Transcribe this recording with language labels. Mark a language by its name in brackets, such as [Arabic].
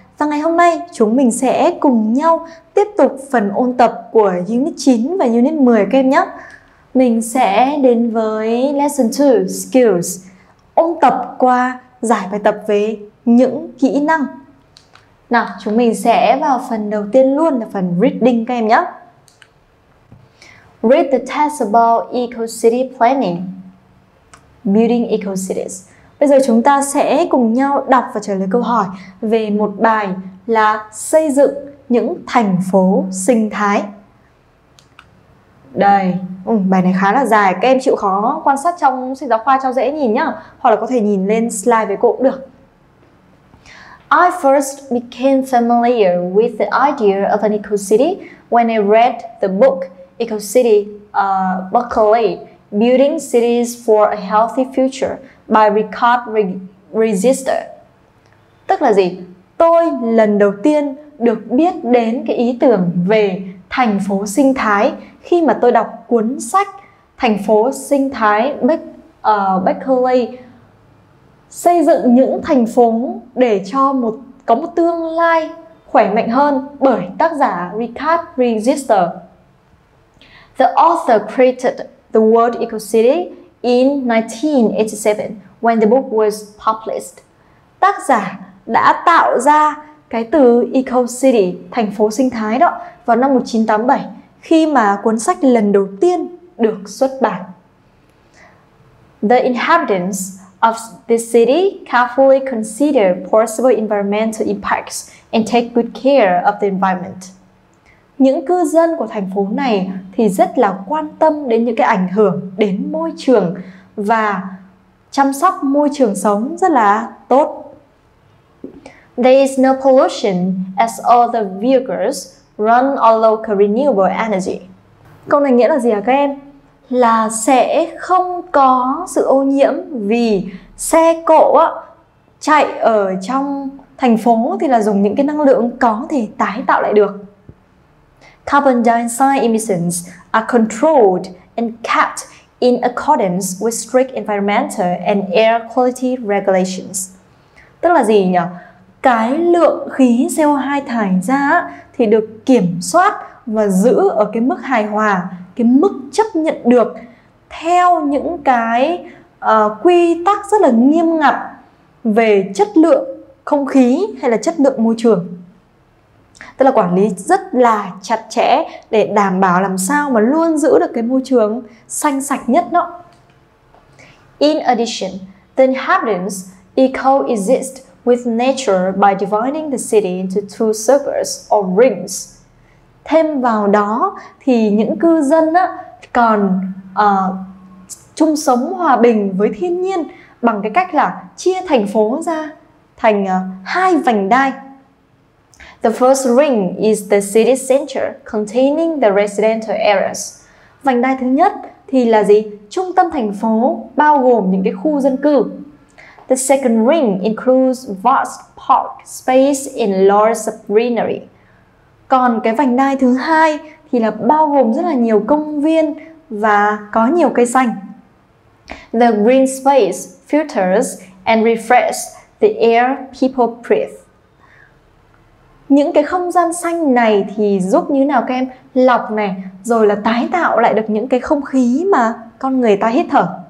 [Vietnamese] Và ngày hôm nay chúng mình sẽ cùng nhau tiếp tục phần ôn tập của Unit 9 và Unit 10 các em nhé. Mình sẽ đến với Lesson 2 Skills, ôn tập qua giải bài tập về những kỹ năng. Nào, chúng mình sẽ vào phần đầu tiên luôn là phần Reading các em nhé. [English] Read the text about eco-city planning, building eco-cities. [Vietnamese] Bây giờ chúng ta sẽ cùng nhau đọc và trả lời câu hỏi về một bài là xây dựng những thành phố sinh thái. Đây, bài này khá là dài, các em chịu khó quan sát trong sách giáo khoa cho dễ nhìn nhá, hoặc là có thể nhìn lên slide với cô cũng được. [English] I first became familiar with the idea of an eco-city when I read the book Eco-City Buckley, Building Cities for a Healthy Future by Ricard Register. [Vietnamese] Tức là gì? Tôi lần đầu tiên được biết đến cái ý tưởng về thành phố sinh thái khi mà tôi đọc cuốn sách Thành phố sinh thái Berkeley, xây dựng những thành phố để cho có một tương lai khỏe mạnh hơn bởi tác giả Ricard Register. [English] The author created the word eco-city in 1987 when the book was published. [Vietnamese] Tác giả đã tạo ra cái từ eco-city, thành phố sinh thái đó, vào năm 1987 khi mà cuốn sách lần đầu tiên được xuất bản. [English] The inhabitants of the city carefully consider possible environmental impacts and take good care of the environment. [Vietnamese] Những cư dân của thành phố này thì rất là quan tâm đến những cái ảnh hưởng đến môi trường và chăm sóc môi trường sống rất là tốt. [English] There is no pollution as all the vehicles run on local renewable energy. [Vietnamese] Câu này nghĩa là gì hả các em? Là sẽ không có sự ô nhiễm vì xe cộ chạy ở trong thành phố thì là dùng những cái năng lượng có thể tái tạo lại được. [English] Carbon dioxide emissions are controlled and kept in accordance with strict environmental and air quality regulations. [Vietnamese] Tức là gì nhỉ? Cái lượng khí CO2 thải ra thì được kiểm soát và giữ ở cái mức hài hòa, cái mức chấp nhận được theo những cái quy tắc rất là nghiêm ngặt về chất lượng không khí hay là chất lượng môi trường. Tức là quản lý rất là chặt chẽ để đảm bảo làm sao mà luôn giữ được cái môi trường xanh sạch nhất đó. [English] In addition, the inhabitants coexist with nature by dividing the city into two circles or rings. [Vietnamese] Thêm vào đó thì những cư dân còn chung sống hòa bình với thiên nhiên bằng cái cách là chia thành phố ra thành hai vành đai. [English] The first ring is the city center containing the residential areas. [Vietnamese] Vành đai thứ nhất thì là gì? Trung tâm thành phố bao gồm những cái khu dân cư. [English] The second ring includes vast park space and lots of greenery. [Vietnamese] Còn cái vành đai thứ hai thì là bao gồm rất là nhiều công viên và có nhiều cây xanh. [English] The green space filters and refreshes the air people breathe. [Vietnamese] Những cái không gian xanh này thì giúp như nào các em? Lọc này, rồi là tái tạo lại được những cái không khí mà con người ta hít thở.